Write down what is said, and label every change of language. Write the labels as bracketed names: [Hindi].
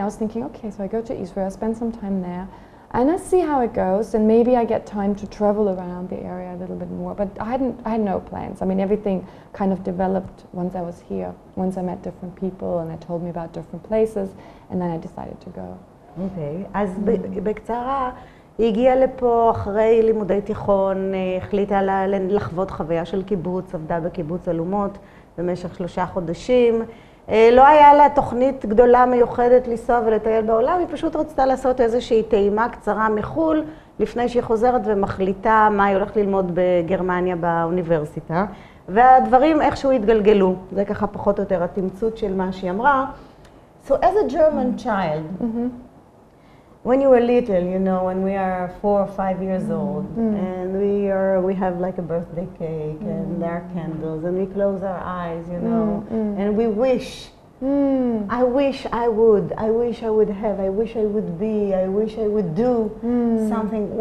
[English] I was thinking, okay, so I go to Israel, spend some time there, and I see how it goes, and maybe I get time to travel around the area a little bit more. But I had no plans. I mean, everything kind of developed once I was here, once I met different people, and they told me about different places, and then I decided to go. Okay. [Hebrew] אז בקצרה, היא הגיעה לפה אחרי לימודי תיכון, החליטה לחוות חוויה של קיבוץ, עבדה בקיבוץ אלומות, במשך 3 חודשים. לא היה לה תוכנית גדולה מיוחדת לנסוע ולטייל בעולם, היא פשוט רצתה לעשות איזושהי טעימה קצרה מחול, לפני שהיא חוזרת ומחליטה מה היא הולכת ללמוד בגרמניה באוניברסיטה. והדברים איכשהו התגלגלו. זה ככה פחות או יותר התמצות של מה שהיא אמרה. [English] So as a German child, when you were little, you know, when we are 4 or 5 years old, and we have like a birthday cake, and there are candles, and we close our eyes, you know, and we wish, I wish I would do something.